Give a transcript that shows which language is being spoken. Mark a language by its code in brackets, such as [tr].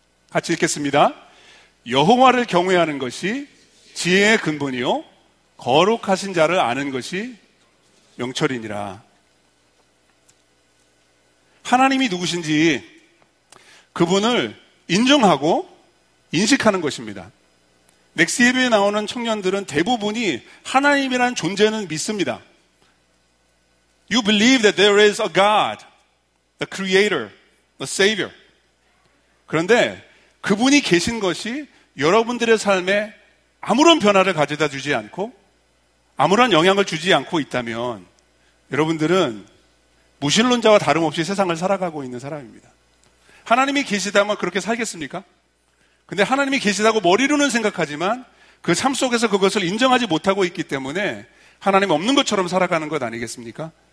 [ko] 같이 읽겠습니다. 여호와를 경외하는 것이 지혜의 근본이요 거룩하신 자를 아는 것이 명철이니라. 하나님이 누구신지 그분을 인정하고 인식하는 것입니다. 넥스트 에 나오는 청년들은 대부분이 하나님이라는 존재는 믿습니다. [en] You believe that there is a God, the creator, the savior. [ko] 그런데 그분이 계신 것이 여러분들의 삶에 아무런 변화를 가져다 주지 않고 아무런 영향을 주지 않고 있다면 여러분들은 무신론자와 다름없이 세상을 살아가고 있는 사람입니다. 하나님이 계시다면 그렇게 살겠습니까? 근데 하나님이 계시다고 머리로는 생각하지만 그 삶 속에서 그것을 인정하지 못하고 있기 때문에 하나님 없는 것처럼 살아가는 것 아니겠습니까?